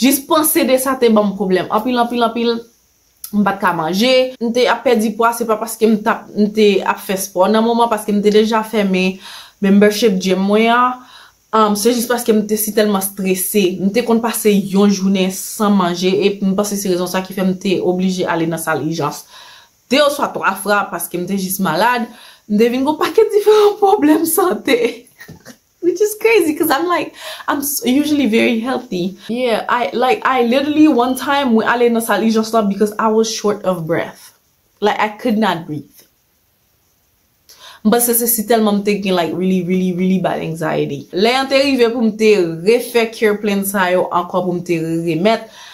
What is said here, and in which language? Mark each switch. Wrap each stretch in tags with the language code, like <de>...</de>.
<ht>Juste penser de ça te bon problème. En pile me pa ka manger, me te a perdu poids, c'est pas parce que me t'a fait sport nan moment parce que me te déjà fermé membership gym moi ya. C'est juste parce que me suis tellement stressé, me t'ai compte passer une journée sans manger et me pense c'est raison ça qui fait me t'ai obligé aller dans salle d'urgence. Deux ou trois fois parce que me t'ai juste malade, me devine un paquet de différents problèmes santé.</ht> <en>Which is crazy because I'm usually very healthy. Yeah, I literally one time we</en> <ht>aller dans salle d'urgence</ht> <en>because I was short of breath. Like I could not breathe. But</en> <ht>c'est tellement me</ht> <en>taking like really really really bad anxiety.</en> <ht>L'ai arrivé pour me refaire care plan ça yo encore pour me remettre.</ht>